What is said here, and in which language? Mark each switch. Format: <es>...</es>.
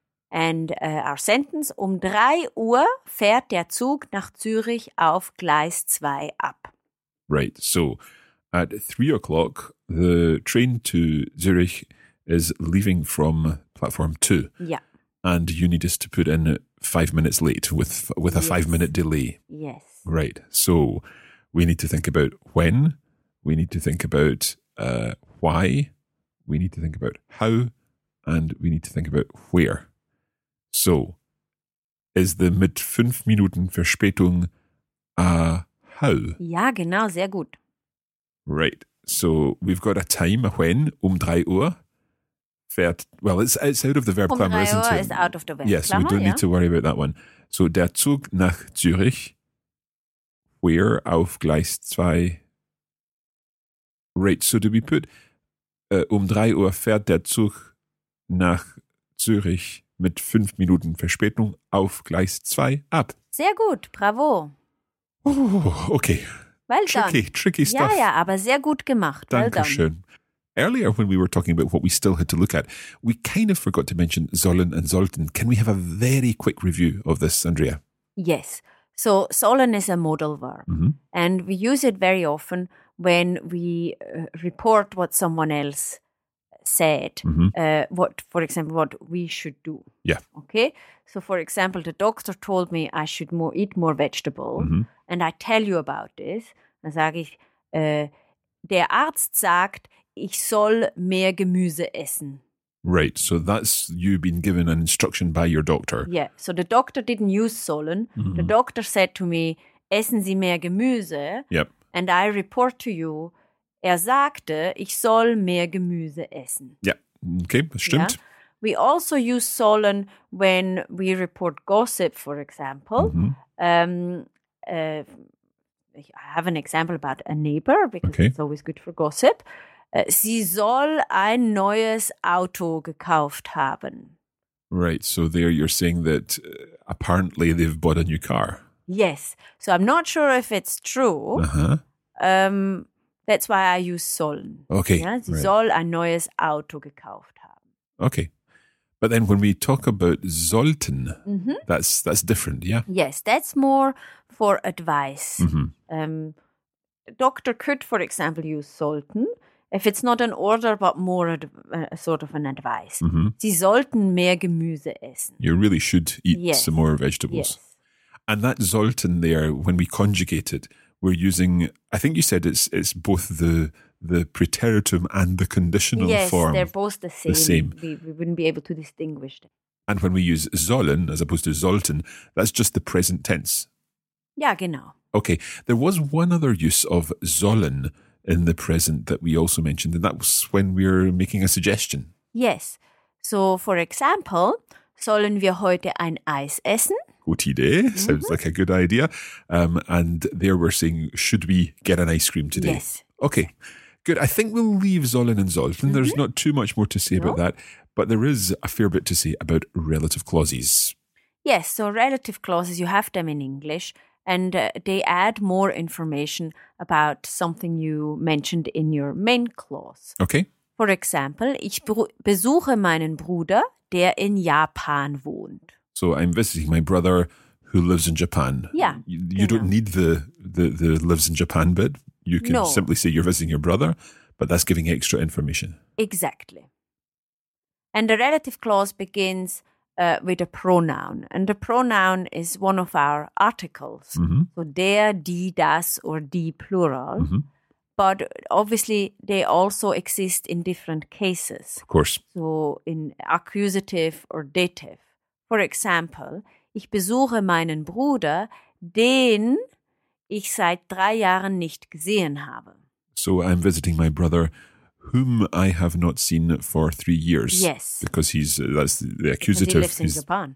<en>And our sentence,</en> <de>3 Uhr fährt der Zug nach Zürich auf Gleis 2 ab.</de> <en>Right. So at 3 o'clock, the train to Zurich is leaving from platform 2. Yeah. And you need us to put in 5 minutes late with a yes. 5 minute delay. Yes. Right. So we need to think about when, we need to think about why, we need to think about how, and we need to think about where. So is the</en> <de>mit 5 Minuten Verspätung</de> <en>a how?</en> <de>Ja, genau, sehr gut.</de> <en>Right. So we've got a time, a when,</en> <de>3 Uhr.</de> <en>Well, it's out of the verb grammar, isn't it? Is out of the verb yes, grammar, we don't yeah. need to worry about that one.</en> <de>So, der Zug nach Zürich, where auf Gleis 2.</de> <en>Right, so do we put</en> <de>3 Uhr fährt der Zug nach Zürich mit 5 Minuten Verspätung auf Gleis 2 ab. Sehr gut, bravo.</de> <en>Oh, okay. Well tricky, done. Tricky stuff.</en> <de>Ja, ja, aber sehr gut gemacht. Dankeschön.</de> <en>Well done. Earlier, when we were talking about what we still had to look at, we kind of forgot to mention sollen and sollten. Can we have a very quick review of this, Andrea? Yes. So, sollen is a modal verb. Mm-hmm. And we use it very often when we report what someone else said. Mm-hmm. What we should do. Yeah. Okay. So, for example, the doctor told me I should eat more vegetable. Mm-hmm. And I tell you about this.</en> <de>Dann sage ich, der Arzt sagt, ich soll mehr Gemüse essen.</de> <en>Right, so that's you been given an instruction by your doctor. Yeah, so the doctor didn't use sollen. Mm-hmm. The doctor said to me,</en> <de>essen Sie mehr Gemüse.</de> <en>Yep. And I report to you,</en> <de>er sagte, ich soll mehr Gemüse essen.</de> <en>Yeah, okay,</en> <de>das stimmt.</de> <en>Yeah? We also use sollen when we report gossip, for example. Mm-hmm. I have an example about a neighbor, because okay. it's always good for gossip.</en> <de>Sie soll ein neues Auto gekauft haben.</de> <en>Right, so there you're saying that apparently they've bought a new car. Yes, so I'm not sure if it's true. Uh-huh. That's why I use sollen. Okay.</en> <de>Ja? Sie right. soll ein neues Auto gekauft haben.</de> <en>Okay, but then when we talk about sollten, mm-hmm. that's different, yeah? Yes, that's more for advice. Mm-hmm. Doctor could, for example, use sollten. If it's not an order, but more a sort of an advice. Mm-hmm.</en> <de>Sie sollten mehr Gemüse essen.</de> <en>You really should eat yes. some more vegetables. Yes. And that sollten there, when we conjugate it, we're using, I think you said it's both the preteritum and the conditional yes, form. Yes, they're both the same. The same. We wouldn't be able to distinguish them. And when we use sollen as opposed to sollten, that's just the present tense.</en> <de>Ja, genau.</de> <en>Okay, there was one other use of sollen in the present that we also mentioned, and that was when we're making a suggestion. Yes. So, for example,</en> <de>sollen wir heute ein Eis essen? Gute Idee.</de> <en>Mm-hmm. Sounds like a good idea. And there we're saying, should we get an ice cream today? Yes. Okay. Good. I think we'll leave sollen and sollten. Mm-hmm. There's not too much more to say about that, but there is a fair bit to say about relative clauses. Yes. So, relative clauses, you have them in English. And they add more information about something you mentioned in your main clause. Okay. For example,</en> <de>ich besuche meinen Bruder, der in Japan wohnt.</de> <en>So I'm visiting my brother who lives in Japan. Yeah. You don't need the lives in Japan bit. You can simply say you're visiting your brother, but that's giving extra information. Exactly. And the relative clause begins with a pronoun. And the pronoun is one of our articles. Mm-hmm. So der, die, das, or die plural. Mm-hmm. But obviously they also exist in different cases. Of course. So in accusative or dative. For example,</en> <de>ich besuche meinen Bruder, den ich seit 3 Jahren nicht gesehen habe.</de> <en>So I'm visiting my brother, whom I have not seen for 3 years. Yes. Because that's the accusative. Because he lives in Japan.</en>